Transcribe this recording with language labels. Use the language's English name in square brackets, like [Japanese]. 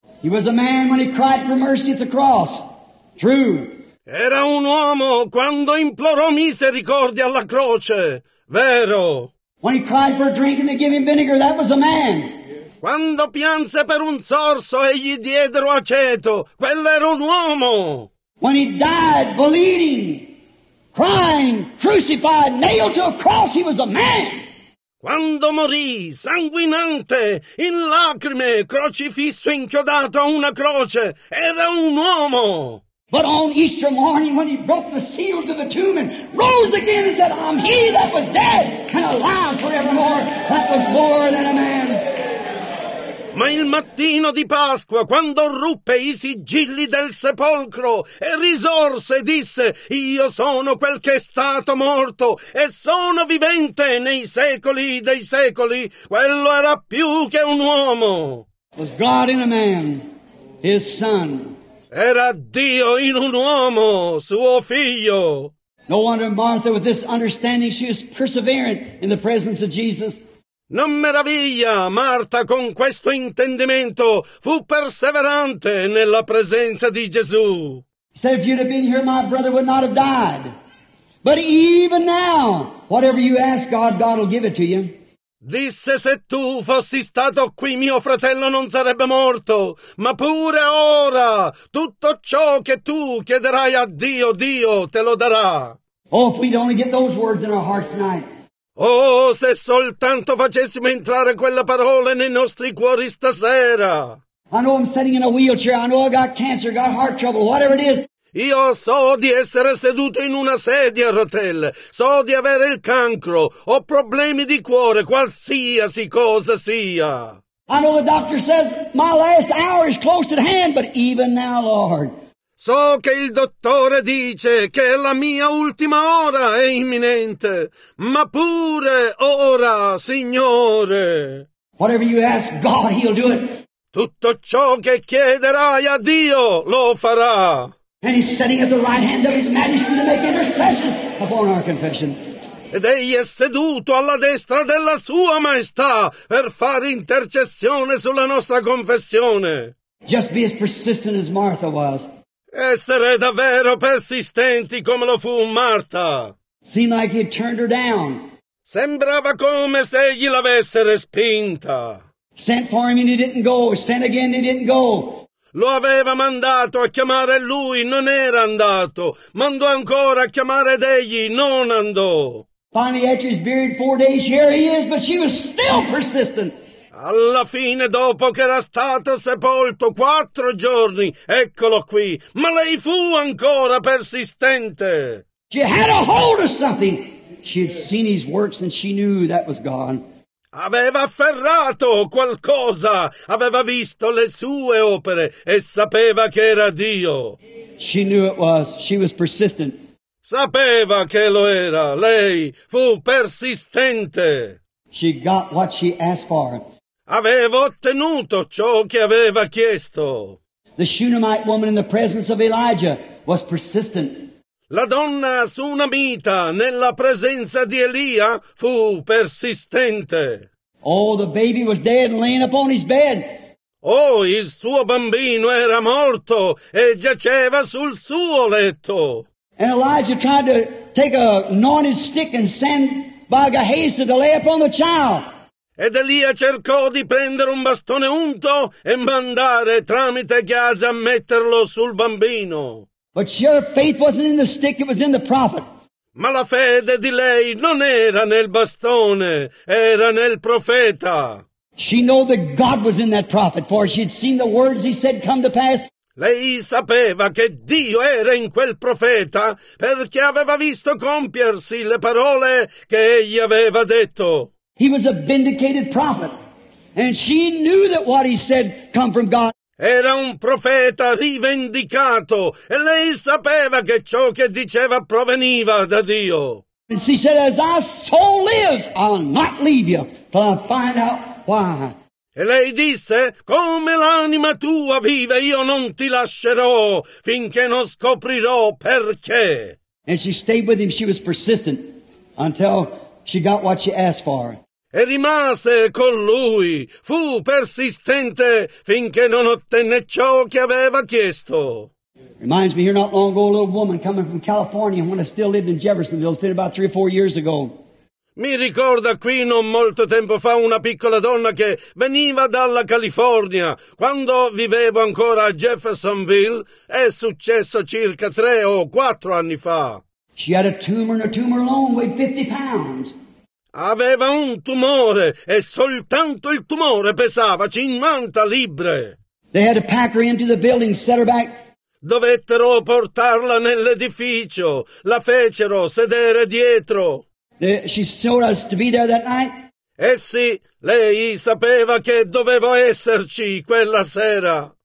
[English] He was a man when he cried for mercy at the cross. True. [Italian] Era un uomo quando implorò misericordia alla croce. Vero. [English] When he cried for a drink and they gave him vinegar, that was a man. [Italian] Quando pianse per un sorso e gli diedero aceto, quello era un uomo. [English] When he died bleeding, crying, crucified, nailed to a cross, he was a man. [Italian] Quando morì, sanguinante, in lacrime, crocifisso, inchiodato a una croce, era un uomo. [English] But on Easter morning, when he broke the seals of the tomb and rose again and said, I'm he that was dead and alive forevermore, that was more than a man. [Italian] Ma il mattino di Pasqua, quando ruppe i sigilli del sepolcro e risorse, disse, io sono quel che è stato morto e sono vivente nei secoli dei secoli, quello era più che un uomo. [English] Was God in a man, his son. [Italian] Era Dio in un uomo, suo figlio. [English] No wonder Martha, with this understanding, she was persevering in the presence of Jesus. [Italian] Non meraviglia, Marta, con questo intendimento, fu perseverante nella presenza di Gesù. [English] He said, if you'd have been here, my brother would not have died. But even now, whatever you ask God, God will give it to you. [Italian] Disse, se tu fossi stato qui, mio fratello non sarebbe morto. Ma pure ora, tutto ciò che tu chiederai a Dio, Dio te lo darà. [English] Oh, if we'd only get those words in our hearts tonight. [Italian] Oh, se soltanto facessimo entrare quella parola nei nostri cuori stasera. [English] I know I'm sitting in a wheelchair. I know I got cancer, got heart trouble, whatever it is. [Italian] Io so di essere seduto in una sedia a rotelle, so di avere il cancro, ho problemi di cuore, qualsiasi cosa sia. [English] I know the doctor says my last hour is close at hand, but even now, Lord. [Italian] So che il dottore dice che la mia ultima ora è imminente, ma pure ora, Signore. [English] Whatever you ask God, He'll do it. [Italian] Tutto ciò che chiederai a Dio lo farà. [English] And He's sitting at the right hand of His Majesty to make intercession upon our confession. [Italian] Ed egli è seduto alla destra della Sua Maestà per fare intercessione sulla nostra confessione. [English] Just be as persistent as Martha was. [Italian] Essere davvero persistenti come lo fu Marta. [English] Seemed like he had turned her down. [Italian] Sembrava come se egli l'avesse respinta. [English] Sent for him and he didn't go. Sent again and he didn't go. [Italian] Lo aveva mandato a chiamare lui, non era andato. Mandò ancora a chiamare egli, non andò. [English] Finally, after he's buried 4 days, here he is, but she was still persistent. [Italian] Alla fine, dopo che era stato sepolto 4 giorni, eccolo qui. Ma lei fu ancora persistente. [English] She had a hold of something. She had seen his works and she knew that was God. [Italian] Aveva afferrato qualcosa. Aveva visto le sue opere e sapeva che era Dio. [English] She knew it was. She was persistent. [Italian] Sapeva che lo era. Lei fu persistente. [English] She got what she asked for. [Italian] Aveva ottenuto ciò che aveva chiesto. [English] The Shunammite woman in the presence of Elijah was persistent. [Italian] La donna sunamita nella presenza di Elia fu persistente. [English] Oh, the baby was dead and laying upon his bed. [Italian] Oh, il suo bambino era morto e giaceva sul suo letto. [English] And Elijah tried to take a anointed stick and send by Gehazi to lay upon the child. [Italian] Ed Elia cercò di prendere un bastone unto e mandare tramite Gehazi a metterlo sul bambino. [English] But your faith wasn't in the stick, it was in the prophet. [Italian] Ma la fede di lei non era nel bastone, era nel profeta. [English] She knew that God was in that prophet, for she had seen the words he said come to pass. [Italian] Lei sapeva che Dio era in quel profeta perché aveva visto compiersi le parole che egli aveva detto. [English] He was a vindicated prophet, and she knew that what he said come from God. [Italian] Era un profeta rivendicato, e lei sapeva che ciò che diceva proveniva da Dio. [English] And she said, as our soul lives, I'll not leave you till I find out why. [Italian] E lei disse, come l'anima tua vive, io non ti lascerò finché non scoprirò perché. [English] And she stayed with him, she was persistent, until she got what she asked for. [Italian] E rimase con lui, fu persistente finché non ottenne ciò che aveva chiesto. [English] Reminds me here not long ago a little woman coming from California when I still lived in Jeffersonville. It's been about 3 or 4 years ago. [Italian] Mi ricorda qui non molto tempo fa una piccola donna che veniva dalla California. Quando vivevo ancora a Jeffersonville, è successo circa 3 o 4 anni fa. [English] She had a tumor and a tumor alone weighed 50 pounds. [Italian] Aveva un tumore e soltanto il tumore pesava 50 libbre. [English] They had to pack her into the building, set her back. [Italian] Dovettero portarla nell'edificio. La fecero sedere dietro. [English] She showed us to be there that night. [Italian] Essi, lei sapeva che dovevo esserci quella sera.